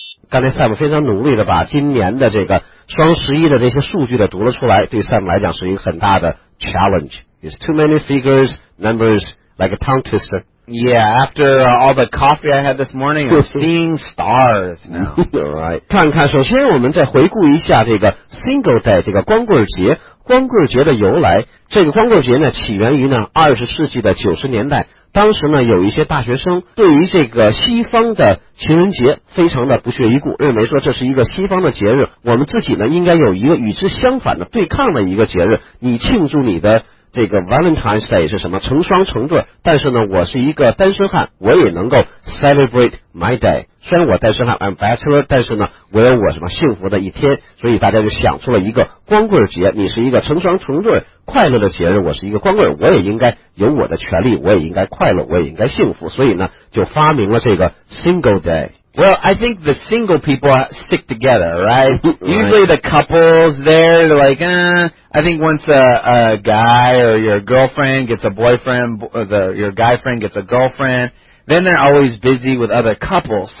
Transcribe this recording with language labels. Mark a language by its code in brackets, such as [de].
[zh] 刚才 Sam 非常努力的把今年的这个双十一的这些数据的读了出来，对 Sam 来讲是一个很大的 challenge. [en] It's too many figures, numbers, like a tongue twister. Yeah, after all the coffee I had this morning, I'm seeing stars now. Alright. [zh] 看看，首先我们再回顾一下这个 Single Day, 这个光棍节。光棍节的由来，这个光棍节呢，起源于呢20世纪的90年代。当时呢，有一些大学生对于这个西方的情人节非常的不屑一顾，认为说这是一个西方的节日，我们自己呢应该有一个与之相反的对抗的一个节日。你庆祝你的这个 Valentine's Day 是什么？成双成对。但是呢，我是一个单身汉，我也能够 [en] celebrate my day。 [zh] 虽然我单身汉 ， [en] I'm bachelor， [zh] 但是呢，我有我什么幸福的一天。所以大家就想出了一个光棍节。你是一个成双成对快乐的节日，我是一个光棍，我也应该有我的权利，我也应该快乐，我也应该幸福。所以呢，就发明了这个 Single Day。 [en] Well, I think the single people stick together, right? Usually the couples there, they're like, I think once a guy or your girlfriend gets a boyfriend, your guy friend gets a girlfriend, then they're always busy with other couples.